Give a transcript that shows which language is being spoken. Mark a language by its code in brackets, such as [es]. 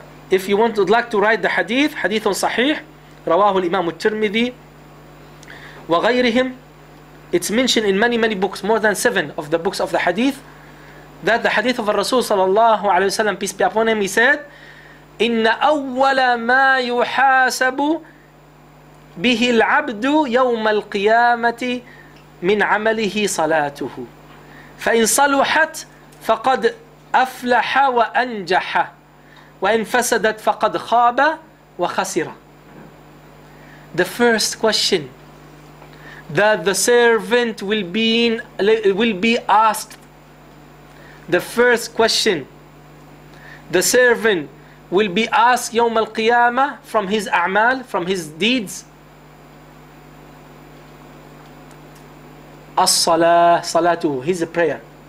[en] If you want, would like to write the hadith, [ar] hadith on sahih, rawahu al-imam al-tirmidhi wa ghayrihim, [en] it's mentioned in many books, more than 7 of the books of the hadith, that the hadith of Rasul sallallahu alayhi wa sallam, peace be upon him, he said, [ar] inna awwala ma yuhasabu bihi al-abdu yawm al-qiyamati min amalihi salatuhu. فإن صلحت فقد أفلح وأنجح وإن فسدت فقد خاب وخسر. [en] The first question that the servant will be asked, the first question the servant will be asked يوم القيامة from his أعمال, from his deeds, الصلاة, صلاته, his prayer.